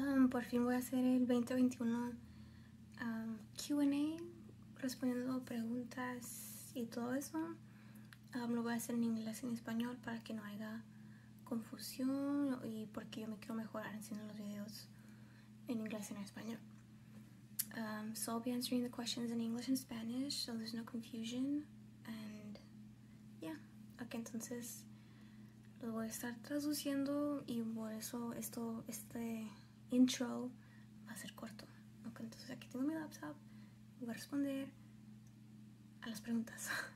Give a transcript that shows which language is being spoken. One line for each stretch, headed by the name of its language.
Spanish: Por fin voy a hacer el 2021 Q&A, respondiendo preguntas y todo eso. Lo voy a hacer en inglés y en español para que no haya confusión y porque yo me quiero mejorar haciendo los videos en inglés y en español.
English: So I'll be answering the questions in English and Spanish so there's no confusion.
Spanish: Ok, entonces lo voy a estar traduciendo y por eso este intro va a ser corto. Ok, entonces aquí tengo mi laptop y voy a responder a las preguntas.